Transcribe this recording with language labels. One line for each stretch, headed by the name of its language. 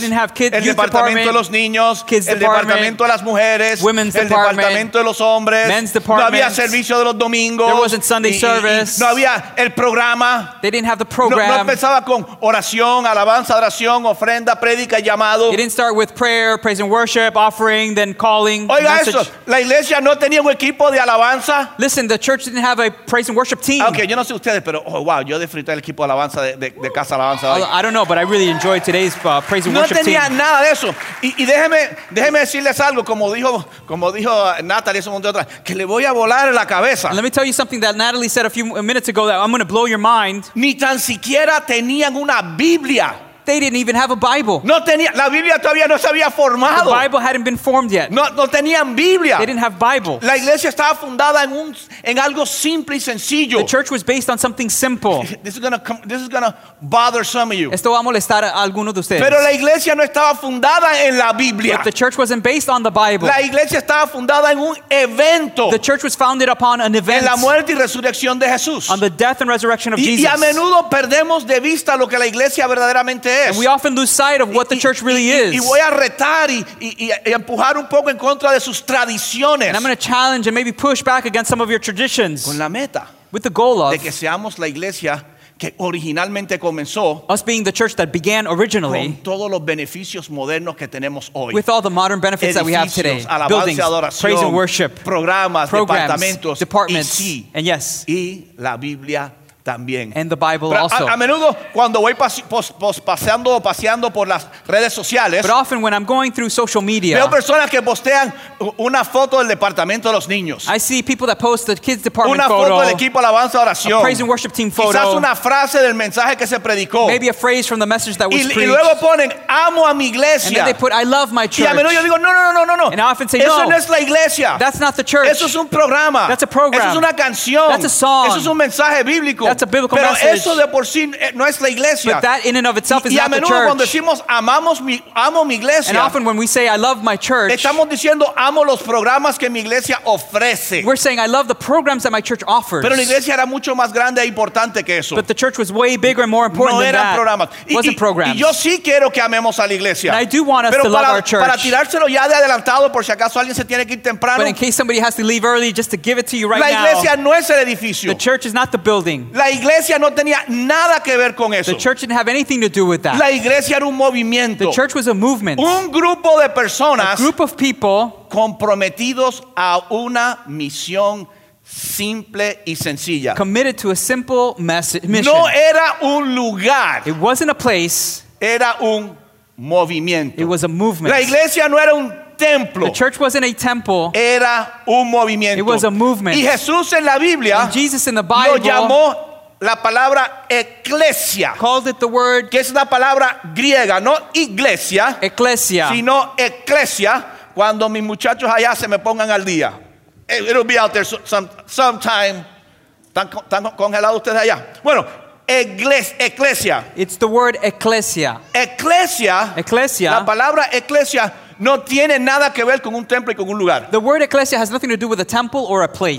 English: They didn't have kids,
Spanish: el departamento de los niños.
English: Kids
Spanish: el departamento de las mujeres.
English: Women's
Spanish: el
English: department.
Spanish: El departamento de los hombres.
English: Men's department.
Spanish: No había servicio de los domingos.
English: There wasn't Sunday service.
Spanish: No había el programa.
English: They didn't have the program.
Spanish: No empezaba con oración, alabanza, adoración, ofrenda, prédica, llamado.
English: It didn't start with prayer, praise and worship, offering, then calling.
Spanish: Oiga eso, la iglesia no tenía un equipo de alabanza.
English: Listen, the church didn't have a praise and worship team.
Spanish: Okay, yo no sé ustedes, pero oh, wow, yo disfruté el equipo de alabanza de casa alabanza.
English: I don't know, but I really enjoyed today's praise and
Spanish: no
English: worship team.
Spanish: No tenía nada de eso. Y déjeme decirles algo, como dijo Natalie hace un momento atrás, que le voy a volar la cabeza.
English: And let me tell you something that Natalie said a few minutes ago that I'm going to blow your mind.
Spanish: Ni tan siquiera tenían una Biblia.
English: They didn't even have a Bible.
Spanish: No tenía, la Biblia todavía no se había formado.
English: The Bible hadn't been formed yet.
Spanish: No tenían Biblia.
English: They didn't have Bible.
Spanish: La iglesia estaba fundada en un en algo simple y sencillo.
English: The church was based on something simple. This is gonna bother some of you.
Spanish: Esto va a molestar a algunos de ustedes. Pero la iglesia no estaba fundada en la Biblia.
English: But the church wasn't based on the Bible.
Spanish: La iglesia estaba fundada en un evento.
English: The church was founded upon an event.
Spanish: En la muerte y resurrección de Jesús.
English: On the death and resurrection of
Spanish: y,
English: Jesus.
Spanish: Y a menudo perdemos de vista lo que la iglesia verdaderamente es.
English: And we often lose sight of what the church really is.
Spanish: Y voy a retar y empujar un poco en contra de sus tradiciones.
English: And I'm going to challenge and maybe push back against some of your traditions.
Spanish: Con la meta.
English: With the goal of.
Spanish: De que seamos la iglesia que originalmente comenzó.
English: Us being the church that began originally.
Spanish: Con todos los beneficios modernos que tenemos hoy.
English: With all the modern benefits that we have today.
Spanish: Buildings, adoración,
English: praise and worship.
Spanish: Programas, departamentos.
English: Departments.
Spanish: Y sí,
English: and yes.
Spanish: Y la Biblia también.
English: And the Bible also.
Spanish: A menudo cuando voy paseando o paseando por las redes sociales.
English: But often when I'm going through social media.
Spanish: Veo personas que postean una foto del departamento de los niños.
English: I see people that post the kids department
Spanish: una
English: photo.
Spanish: Una foto del equipo alabanza oración.
English: A praise and worship team photo.
Spanish: Quizás una frase del mensaje que se predicó.
English: Maybe a phrase from the message that was preached.
Spanish: Y luego ponen amo a mi iglesia.
English: And then they put I love my church.
Spanish: Y a menudo yo digo no.
English: And I often say
Spanish: eso
English: no.
Spanish: Eso no es la iglesia.
English: That's not the church.
Spanish: Eso es un programa.
English: That's a program.
Spanish: Eso es una canción.
English: That's a song.
Spanish: Eso es un mensaje bíblico.
English: That's a biblical
Spanish: pero
English: message.
Spanish: Eso de por sí no es la iglesia.
English: But that in and of itself is
Spanish: y
English: not the church.
Spanish: Cuando decimos, amo mi iglesia,
English: and often when we say I love my church,
Spanish: estamos diciendo, amo los programas que mi iglesia ofrece.
English: We're saying I love the programs that my church offers.
Spanish: Pero la iglesia era mucho más grande e importante que eso.
English: But the church was way bigger and more important
Spanish: no
English: than
Spanish: eran
English: that.
Spanish: Programas.
English: It wasn't programs.
Spanish: Y yo sí quiero que amemos a la iglesia.
English: And I do want us
Spanish: pero
English: to
Spanish: para,
English: love our church.
Spanish: Para tirárselo ya de adelantado por si acaso alguien se tiene que ir temprano.
English: But in case somebody has to leave early just to give it to you right
Spanish: la iglesia
English: now.
Spanish: No es el edificio.
English: The church is not the building.
Spanish: La iglesia no tenía nada que ver con eso.
English: The church didn't have anything to do with that.
Spanish: La iglesia era un movimiento.
English: The church was a movement.
Spanish: Un grupo de personas.
English: A group of people
Spanish: comprometidos a una misión simple y sencilla.
English: Committed to a simple mission.
Spanish: No era un lugar.
English: It wasn't a place.
Spanish: Era un movimiento.
English: It was a movement.
Spanish: La iglesia no era un templo.
English: The church wasn't a temple.
Spanish: Era un movimiento.
English: It was a movement.
Spanish: Y Jesús en la Biblia,
English: and Jesus in the Bible,
Spanish: lo llamó la palabra eclesia.
English: Called it the word,
Spanish: que es la palabra griega, no iglesia.
English: Eclesia.
Spanish: Sino eclesia. Cuando mis muchachos allá se me pongan al día.
English: It'll be out there sometime.
Spanish: ¿Están congelados ustedes allá? Bueno, eclesia.
English: It's the word eclesia.
Spanish: Eclesia. Eclesia. La palabra eclesia no tiene nada que ver con un templo y con un lugar.
English: The word ecclesia has nothing to do with a temple or a place.